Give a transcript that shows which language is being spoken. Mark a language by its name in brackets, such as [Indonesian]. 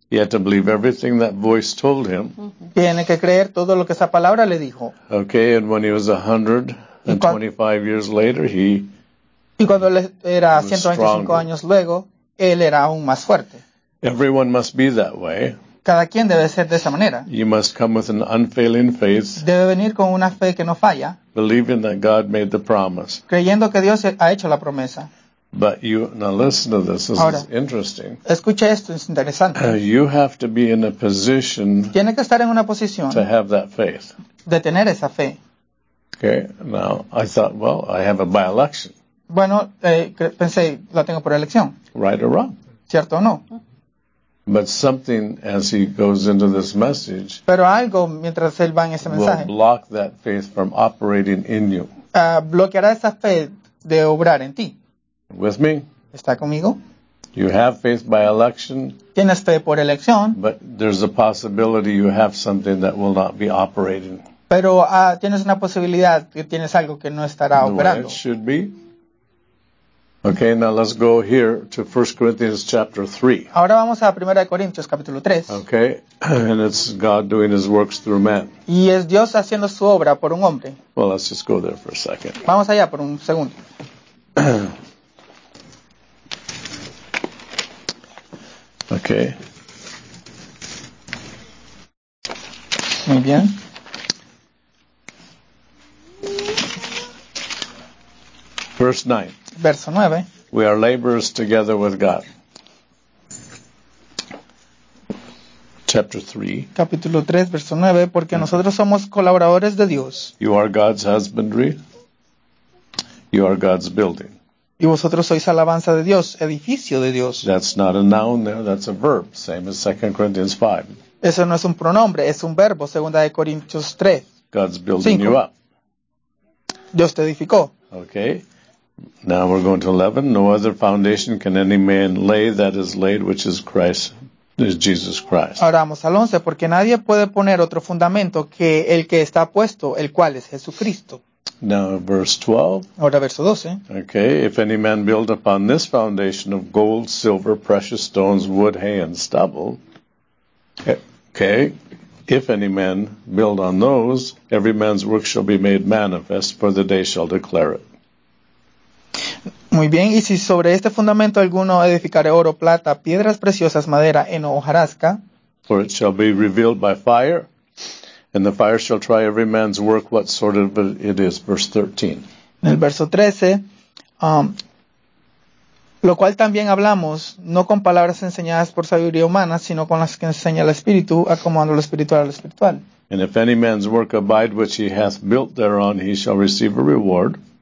[English] He had to believe everything that voice told him. [Spanish] Tiene que creer todo lo que esa palabra le dijo. [English] Okay, and when he was 125 years later, he [Spanish] Y cuando él era 125 años luego, él era aún más fuerte. [English] Everyone must be that way. [Spanish] Cada quien debe ser de esa manera. [English] You must come with an unfailing faith. [Spanish] Debe venir con una fe que no falla. [English] Believing that God made the promise. [Spanish] Creyendo que Dios ha hecho la promesa. [English] But you, now listen to this, this [Spanish] Ahora, [English] is interesting. [Spanish] Escucha esto, es interesante. [English] You have to be in a position. [Spanish] Tiene que estar en una posición. [English] To have that faith. [Spanish] De tener esa fe. [English] Okay, now I thought, well, I have it by election. [Spanish] Bueno, pensé, la tengo por elección. [English] Right or wrong. [Spanish] Cierto o no. [English] But something, as he goes into this message, [Spanish] Pero algo, mientras él va en ese mensaje, [English] will block that faith from operating in you. [Spanish] Bloqueará esa fe de obrar en ti. [English] With me? [Spanish] ¿Está conmigo? [English] You have faith by election. [Spanish] Tienes fe por elección. [English] But there's a possibility you have something that will not be operating. [Spanish] Pero tienes una posibilidad que tienes algo que no estará [English] the [Spanish] operando. [English] The way it should be. Okay, now let's go here to 1 Corinthians chapter 3. [Spanish] Ahora vamos a 1 Corintios capítulo 3. [English] Okay, and it's God doing his works through man. [Spanish] Y es Dios haciendo su obra por un hombre. [English] Well, let's just go there for a second. [Spanish] Vamos allá por un segundo. [English] Okay. [Spanish] Muy bien. [English] Verse 9. [Spanish] Verso 9. [English] We are laborers together with God. Chapter 3. [Spanish] Capítulo 3, verso 9. Porque nosotros somos colaboradores de Dios. [English] You are God's husbandry. You are God's building. [Spanish] Y vosotros sois alabanza de Dios, edificio de Dios. [English] That's not a noun there, that's a verb. Same as 2 Corinthians 5. [Spanish] Eso no es un pronombre, es un verbo. Segunda de Corintios 3. [English] God's building 5. You up. [Spanish] Dios te edificó. [English] Okay. Now we're going to 11. No other foundation can any man lay that is laid, which is Christ, is Jesus Christ. [Spanish] Ahora vamos al 11. Porque nadie puede poner otro fundamento que el que está puesto, el cual es Jesucristo. [English] Now verse 12. [Spanish] Ahora verso 12. [English] Okay. If any man build upon this foundation of gold, silver, precious stones, wood, hay, and stubble. Okay. If any man build on those, every man's work shall be made manifest, for the day shall declare it. [Spanish] Muy bien, y si sobre este fundamento alguno edificare oro, plata, piedras preciosas, madera, heno, hojarasca, [English] for it shall be revealed by fire, and the fire shall try every man's work what sort of it is. Verse 13. [Spanish] En el verso 13, lo cual también hablamos, no con palabras enseñadas por sabiduría humana, sino con las que enseña el Espíritu, acomodando lo espiritual a lo espiritual. [English] And if any man's work abide which he hath built thereon, he shall receive a reward.